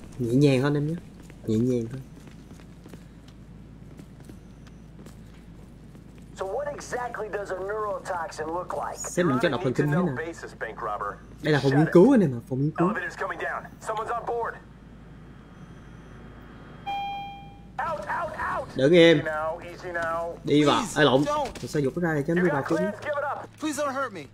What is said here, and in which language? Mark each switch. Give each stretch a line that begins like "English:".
Vietnamese: Nhẹ nhàng thôi em nhé, nhẹ nhàng thôi.
English: So what exactly does a neurotoxin look like?
Vietnamese: Xem mình chất độc thần kinh thế nào. Đây là phòng nghiên cứu anh em à, phòng nghiên cứu.
English: Elevator's coming down. Someone's on board. Out, out, out.
Vietnamese: Đứng im.
English: Easy now,
Vietnamese: đi vào. Ai lộn? Tôi sao dục nó ra cho nó đi vào chứ.
English: Please don't hurt me.